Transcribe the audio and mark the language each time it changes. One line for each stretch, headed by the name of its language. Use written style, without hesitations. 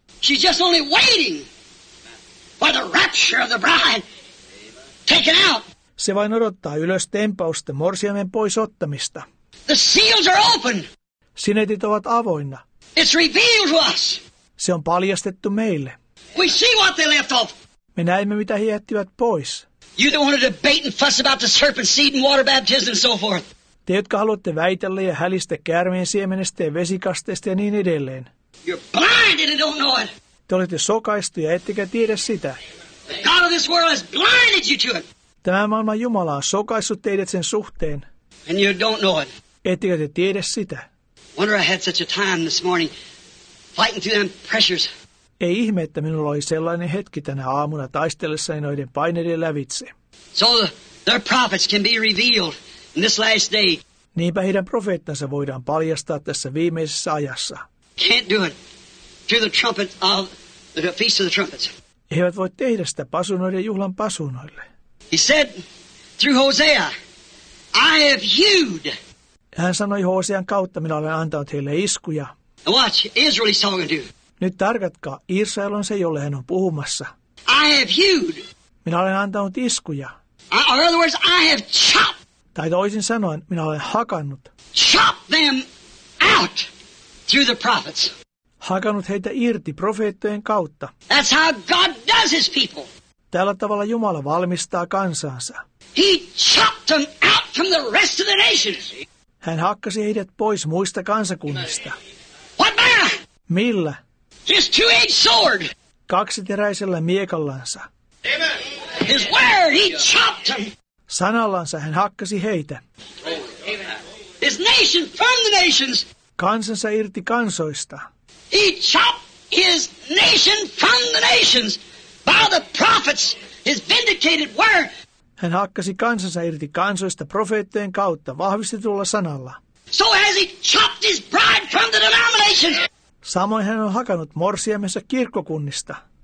English: She's just only waiting for the rapture of the bride taken out.
Finnish: Se vain odottaa ylös tempausta morsiamen pois ottamista.
English: The seals are open.
Finnish: Sinetit ovat avoinna.
English: It's revealed to us.
Finnish: Se on paljastettu meille.
English: We see what they left off.
Finnish: Me näemme, mitä he jättivät pois.
English: You don't want to debate and fuss about the serpent seed and water baptism and so forth.
Finnish: Te, jotka haluatte väitellä ja hälistä käärmeen siemenestä ja vesikasteesta ja niin edelleen.
English: You're blind and you don't know it.
Finnish: Te olette sokaistuja, ettekä tiedä sitä.
English: The God of this world has blinded you to it.
Finnish: Tämä maailman Jumala on sokaissut teidät sen suhteen.
English: And you don't know it.
Finnish: Ettekö te tiedä sitä.
English: Wonder I had such a time this morning fighting through them pressures.
Finnish: Ei ihme, että minulla oli sellainen hetki tänä aamuna taistellessani noiden paineiden lävitse.
English: So their prophets can be revealed in this last day.
Finnish: Niinpä heidän profeettansa voidaan paljastaa tässä viimeisessä ajassa.
English: Can't do it through the trumpet of the feast of the trumpets.
Finnish: He eivät voi tehdä sitä pasunoiden juhlan pasunoille.
English: He said through Hosea, I have hewed.
Finnish: Hän sanoi Hosean kautta, minä olen antanut heille iskuja.
English: Now watch, Israel is talking to you.
Finnish: Nyt tarkatkaa, Israel on se, jolle hän on puhumassa.
English: I have hewed.
Finnish: Minä olen antanut iskuja.
English: Or other words, I have chopped.
Finnish: Tai toisin sanoen, minä olen hakannut.
English: Chop them out through the prophets.
Finnish: Hakannut heitä irti profeettojen kautta.
English: That's how God does his people.
Finnish: Tällä tavalla Jumala valmistaa kansansa.
English: He chopped them out from the rest of the nations.
Finnish: Hän hakkasi heidät pois muista kansakunnista.
English: What manner?
Finnish: Millä?
English: His two-edged sword.
Finnish: Kaksiteräisellä miekallansa.
English: Amen. His word, he chopped them.
Finnish: Sanallansa hän hakkasi heitä.
English: Amen. His nation from the nations.
Finnish: Kansansa irti kansoista.
English: He chopped his nation from the nations by the prophets, his vindicated word.
Finnish: Hän hakkasi kansansa irti kansoista profeettojen kautta vahvistetulla sanalla.
English: So has he chopped his bride from the denomination.
Finnish: Samoin hän on hakanut morsiamensa kirkkokunnista.